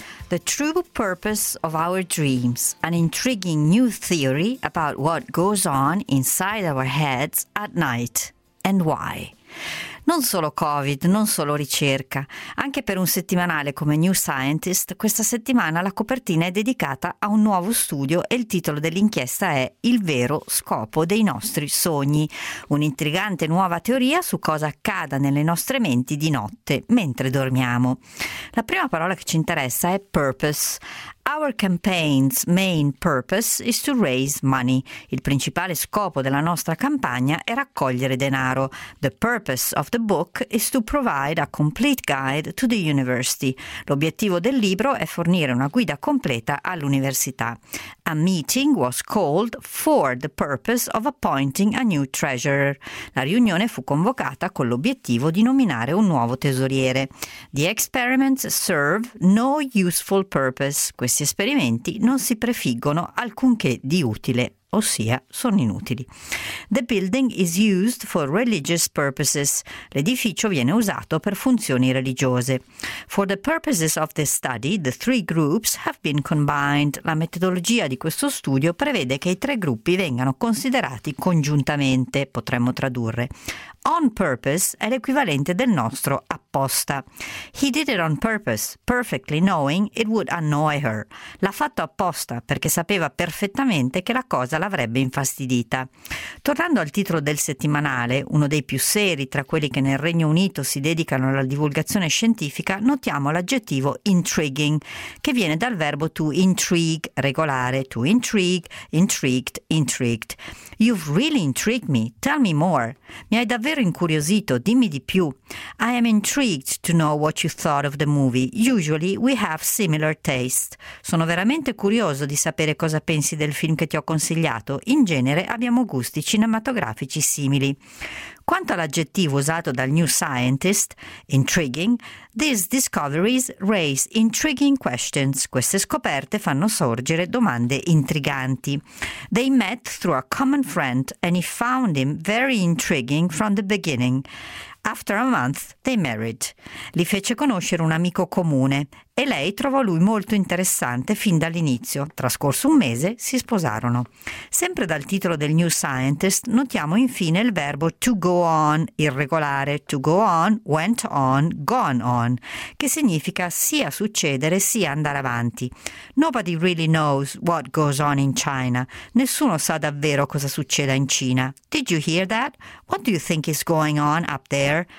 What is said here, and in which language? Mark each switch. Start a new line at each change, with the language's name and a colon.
English: The true purpose of our dreams, an intriguing new theory about what goes on inside our heads at night and why.
Italian: Non solo Covid, non solo ricerca, anche per un settimanale come New Scientist, questa settimana la copertina è dedicata a un nuovo studio e il titolo dell'inchiesta è Il vero scopo dei nostri sogni, un'intrigante nuova teoria su cosa accada nelle nostre menti di notte, mentre dormiamo. La prima parola che ci interessa è purpose.
English: Our campaign's main purpose is to raise money.
Italian: Il principale scopo della nostra campagna è raccogliere denaro.
English: The purpose of the book is to provide a complete guide to the university.
Italian: L'obiettivo del libro è fornire una guida completa all'università.
English: A meeting was called for the purpose of appointing a new treasurer.
Italian: La riunione fu convocata con l'obiettivo di nominare un nuovo tesoriere.
English: The experiments serve no useful purpose.
Italian: Questi esperimenti non si prefiggono alcunché di utile, ossia sono inutili.
English: The building is used for religious purposes.
Italian: L'edificio viene usato per funzioni religiose.
English: For the purposes of this study, the three groups have been combined.
Italian: La metodologia di questo studio prevede che i tre gruppi vengano considerati congiuntamente, potremmo tradurre. On purpose è l'equivalente del nostro apposta.
English: He did it on purpose, perfectly knowing it would annoy her.
Italian: L'ha fatto apposta perché sapeva perfettamente che la cosa l'avrebbe infastidita. Tornando al titolo del settimanale, uno dei più seri tra quelli che nel Regno Unito si dedicano alla divulgazione scientifica, notiamo l'aggettivo intriguing, che viene dal verbo to intrigue, regolare, to intrigue, intrigued, intrigued.
English: You've really intrigued me, tell me more.
Italian: Mi hai davvero incuriosito, dimmi di più.
English: I am intrigued to know what you thought of the movie. Usually we have similar taste.
Italian: Sono veramente curioso di sapere cosa pensi del film che ti ho consigliato. In genere abbiamo gusti cinematografici simili. Quanto all'aggettivo usato dal New Scientist, intriguing,
English: these discoveries raise intriguing questions.
Italian: Queste scoperte fanno sorgere domande intriganti.
English: They met through a common friend and he found him very intriguing from the beginning. After a month, they married.
Italian: Li fece conoscere un amico comune e lei trovò lui molto interessante fin dall'inizio. Trascorso un mese, si sposarono. Sempre dal titolo del New Scientist, notiamo infine il verbo to go on, irregolare, to go on, went on, gone on, che significa sia succedere sia andare avanti.
English: Nobody really knows what goes on in China.
Italian: Nessuno sa davvero cosa succeda in Cina.
English: Did you hear that? What do you think is going on up there?